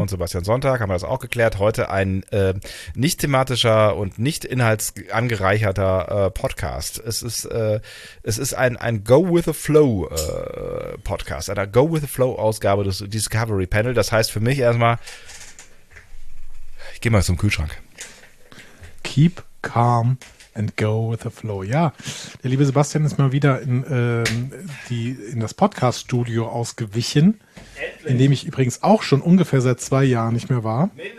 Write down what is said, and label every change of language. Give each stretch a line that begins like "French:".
German: Und Sebastian Sonntag haben wir das auch geklärt. Heute ein nicht thematischer und nicht inhaltsangereicherter Podcast. Es ist ein Go-with-the-Flow Podcast. Eine Go-with-the-Flow-Ausgabe des Discovery Panel. Das heißt für mich erstmal, ich gehe mal zum Kühlschrank.
English: Keep calm and go with the flow.
German: Ja, der liebe Sebastian ist mal wieder in das Podcast-Studio ausgewichen. Endlich. In dem ich übrigens auch schon ungefähr seit 2 Jahren nicht mehr war.